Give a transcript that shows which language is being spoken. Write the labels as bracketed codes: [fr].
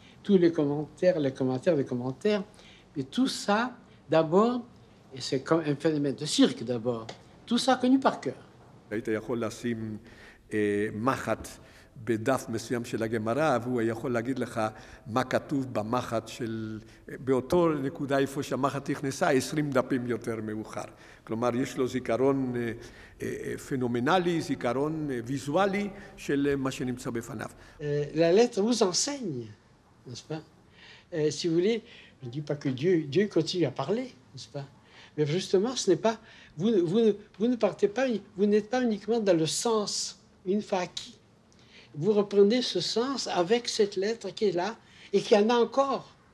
[fr] Tous les commentaires, Mais tout ça, d'abord, et c'est comme un phénomène de cirque d'abord, tout ça connu par cœur. [he] היית יכול לשים מחט בדף מסוים של הגמרא, והוא יכול להגיד לך מה כתוב במחט של... באותו נקודה איפה שהמחט נכנסה, 20 דפים יותר מאוחר. כלומר, יש לו זיכרון פנומנלי, זיכרון ויזואלי של מה שנמצא בפניו. [fr] La lettre vous enseigne, n'est-ce pas? Si vous voulez, je ne dis pas que Dieu continue à parler, n'est-ce pas? Mais justement, ce n'est pas... Vous ne partez pas, vous n'êtes pas uniquement dans le sens, une fois acquis. Vous reprenez ce sens avec cette lettre qui est là et qui en a encore.